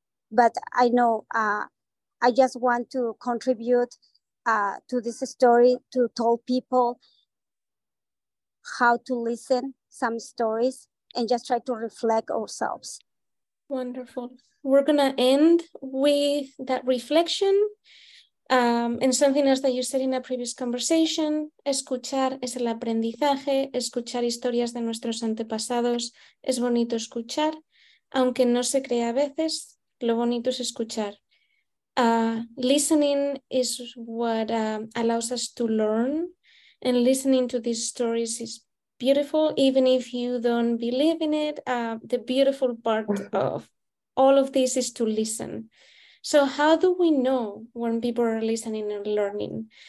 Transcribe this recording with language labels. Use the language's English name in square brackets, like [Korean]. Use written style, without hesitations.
[English] But I know I just want to contribute to this story, to tell people how to listen some stories and just try to reflect ourselves. Wonderful. We're gonna end with that reflection and something else that you said in a previous conversation. [Spanish] Escuchar es el aprendizaje. Escuchar historias de nuestros antepasados es bonito escuchar, aunque no se crea a veces. Lo bonito es escuchar. [English] Listening is what allows us to learn, and listening to these stories is beautiful, even if you don't believe in it. The beautiful part of all of this is to listen. So how do we know when people are listening and learning?